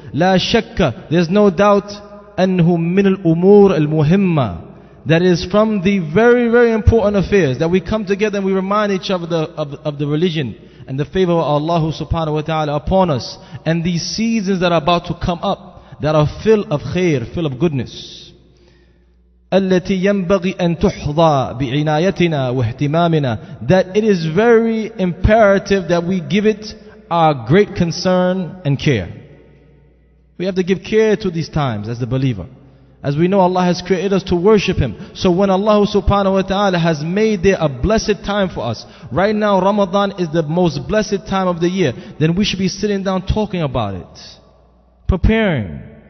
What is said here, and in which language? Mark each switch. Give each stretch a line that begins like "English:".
Arabic: La shakka,
English: there's no doubt,
Arabic: anhu min al-umur al-muhimma.
English: That is from the very, very important affairs that we come together and we remind each other of the religion and the favor of Allah subhanahu wa ta'ala upon us and these seasons that are about to come up that are full of khair, full of goodness.
Arabic: التي ينبغي أن تحظى بعنايتنا واهتمامنا.
English: That it is very imperative that we give it our great concern and care. We have to give care to these times as the believer. As we know, Allah has created us to worship Him. So when Allah subhanahu wa ta'ala has made there a blessed time for us, right now Ramadan is the most blessed time of the year, then we should be sitting down talking about it. Preparing.